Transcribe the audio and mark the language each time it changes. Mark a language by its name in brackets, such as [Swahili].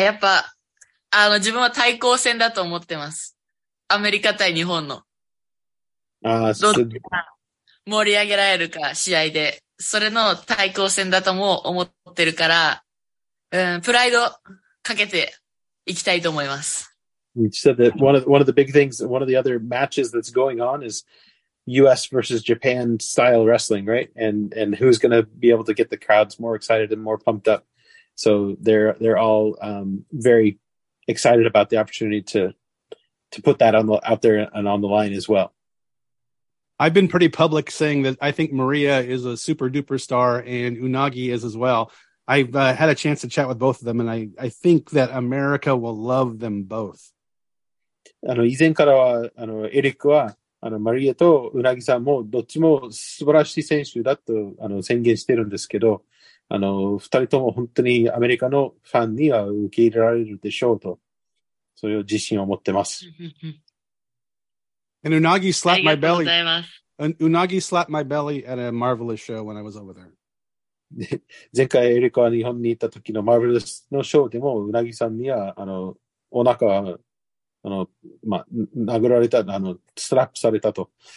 [Japanese] やっぱ、自分は対抗戦だと思ってます。アメリカ対日本の。ああ、そうですね。盛り上げられるか、試合で。それの対抗戦だとも思ってるから、プライドかけていきたいと思います。 [English] She said that one of the other matches that's going on is U.S. versus Japan style wrestling, right? And who's going to be able to get the crowds more excited and more pumped up? So they're all very excited about the opportunity to put that out there and on the line as well. I've been pretty public saying that I think Maria is a super duper star and Unagi is as well. I've had a chance to chat with both of them, and I think that America will love them both. [Japanese] 以前からは、エリックは、マリアとウナギさんも、どっちも素晴らしい選手だと、宣言してるんですけど、二人とも本当にアメリカのファンには受け入れられるでしょうと、そういう自信を持ってます。 [English] And Unagi slapped my belly. [Japanese] ありがとうございます。 [English] Unagi slapped my belly at a Marvelous show when I was over there. [Japanese] 前回エリックは日本に行った時のMarvelousのショーでも、ウナギさんには、お腹は、殴られた、スラップされたと。